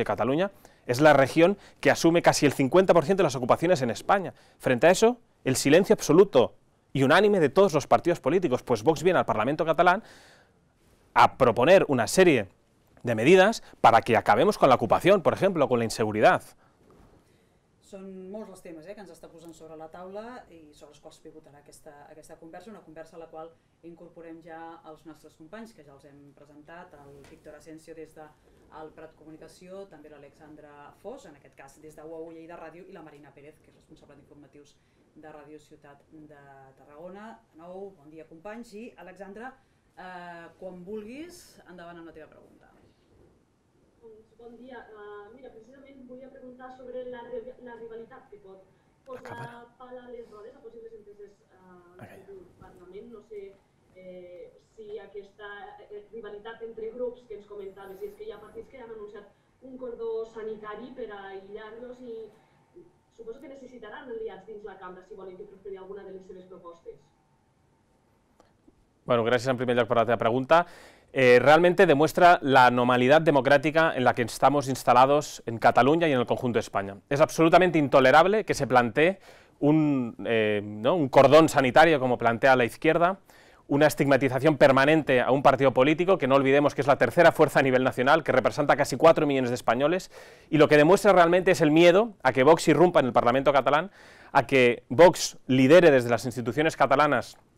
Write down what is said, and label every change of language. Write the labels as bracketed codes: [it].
[es] Que Cataluña es la región que asume casi el 50% de las ocupaciones en España. Frente a eso, el silencio absoluto y unánime de todos los partidos políticos. Pues Vox viene al Parlamento catalán a proponer una serie de medidas para que acabemos con la ocupación, por ejemplo, con la inseguridad. [ca] Són molts els temes que ens està posant sobre la taula i sobre els quals pivotarà aquesta conversa, una conversa a la qual incorporem ja els nostres companys, que ja els hem presentat, el Víctor Asensio des de el Prat Comunicació, també l'Alexandra Fos, en aquest cas des de UAU Lleida Ràdio, i la Marina Pérez, que és responsable d'informatius de Ràdio Ciutat de Tarragona. De nou, bon dia companys, i Alexandra, quan vulguis, endavant amb la teva pregunta. Bon dia. Mira, precisament volia preguntar sobre la rivalitat que pot posar pal a les rodes a possibles enteses del Parlament. No sé si aquesta rivalitat entre grups que ens comentaves, i és que hi ha partits que han anunciat un cordó sanitari per aïllar-los, i suposo que necessitaran aliats dins la cambra si volen que prosperi alguna de les seves propostes. Bueno, gràcies en primer lloc per la teva pregunta. [es] Realmente demuestra la anormalidad democrática en la que estamos instalados en Cataluña y en el conjunto de España. Es absolutamente intolerable que se plantee un cordón sanitario, como plantea la izquierda, una estigmatización permanente a un partido político, que no olvidemos que es la tercera fuerza a nivel nacional, que representa casi 4 millones de españoles, y lo que demuestra realmente es el miedo a que Vox irrumpa en el Parlamento catalán, a que Vox lidere desde las instituciones catalanas